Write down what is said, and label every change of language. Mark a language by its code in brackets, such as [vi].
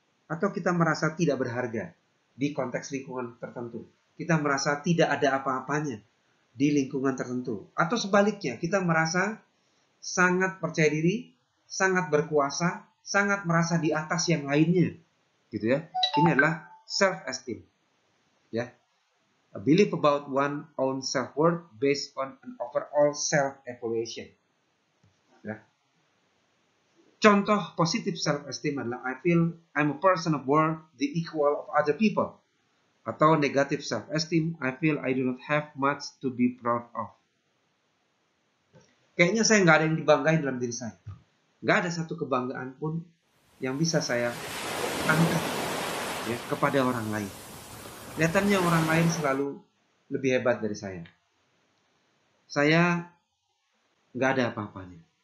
[id] Atau kita merasa tidak berharga di konteks lingkungan tertentu? Kita merasa tidak ada apa-apanya di lingkungan tertentu? Atau sebaliknya, kita merasa sangat percaya diri, sangat berkuasa, sangat merasa di atas yang lainnya? Gitu ya. Ini adalah self-esteem. Ya. [en] A belief about one own self-worth based on an overall self-evaluation. Ya. [id] Contoh positif self-esteem adalah [en] I feel I'm a person of worth, the equal of other people. [id] Atau negatif self-esteem, [en] I feel I do not have much to be proud of. [id] Kayaknya saya nggak ada yang dibanggain dalam diri saya. Nggak ada satu kebanggaan pun yang bisa saya angkat ya, kepada orang lain. Kelihatannya orang lain selalu lebih hebat dari saya. Saya nggak ada apa-apanya.